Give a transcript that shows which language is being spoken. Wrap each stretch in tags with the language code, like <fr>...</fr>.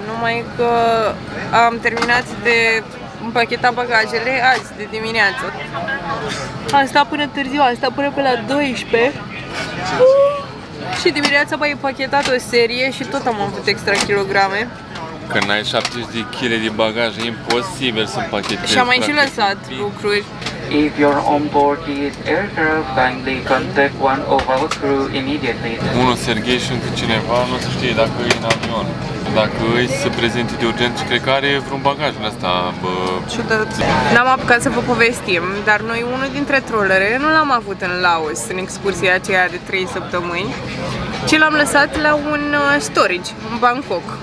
<ro>Numai că am terminat de împacheta bagajele azi, de dimineață. Am stat până târziu, am stat până pe la 12. Și dimineața m-am împachetat o serie și tot am avut extra kilograme. Când ai 70 de kg de bagaj, e imposibil să împachetezi. Și am mai și lăsat lucruri.</ro> <en>If you're on board the aircraft, kindly contact one of our crew immediately.</en> <ro>Unul, Sergei, și încă cineva, nu se știe dacă e în avion. Dacă îi se prezinte de urgent, cred că are vreun bagaj în ăsta. Ciudat. N-am apucat să vă povestim, dar noi unul dintre trollere nu l-am avut în Laos, în excursia aceea de 3 săptămâni, ci l-am lăsat la un storage în Bangkok.</ro>